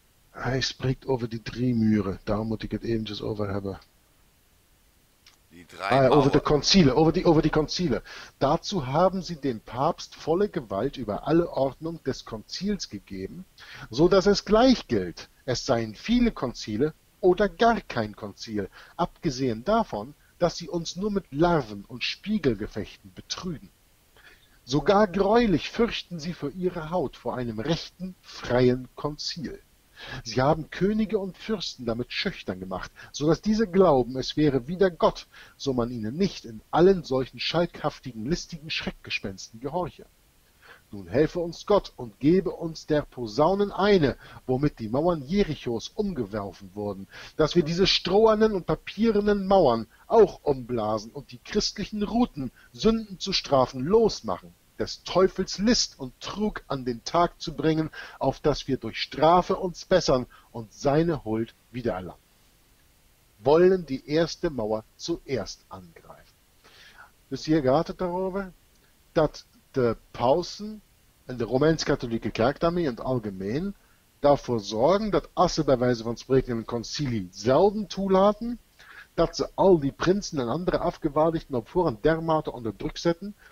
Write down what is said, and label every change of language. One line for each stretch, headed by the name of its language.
Dutch: Hij spreekt over die drie muren. Daar moet ik het eventjes over hebben.
German: Die drei
Dutch: Ah, over de
German: Mauern.
Dutch: Konzile, over die Konzile.
German: Dazu haben sie dem Papst volle Gewalt über alle Ordnung des Konzils gegeben, so dass es gleich gilt, es seien viele Konzile oder gar kein Konzil, abgesehen davon, dass sie uns nur mit Larven und Spiegelgefechten betrügen. Sogar greulich fürchten sie für ihre Haut vor einem rechten, freien Konzil. Sie haben Könige und Fürsten damit schüchtern gemacht, so dass diese glauben, es wäre wieder Gott, so man ihnen nicht in allen solchen schalkhaftigen, listigen Schreckgespenstern gehorche. Nun helfe uns Gott und gebe uns der Posaunen eine, womit die Mauern Jerichos umgeworfen wurden, dass wir diese strohernen und papierenen Mauern auch umblasen und die christlichen Ruten, Sünden zu strafen, losmachen. Des Teufels List und Trug an den Tag zu bringen, auf dass wir durch Strafe uns bessern und seine Huld wiedererlangen. Wollen die erste Mauer zuerst angreifen.
Dutch: Dus hier gaat het erover dat de pausen en de Romeins-Katholieke Kerk daarmee in het algemeen daarvoor zorgen dat als ze bij wijze van spreken een concilie zelden toelaten, dat ze al die prinsen en andere afgevaardigden op voorhand dermate onder druk zetten.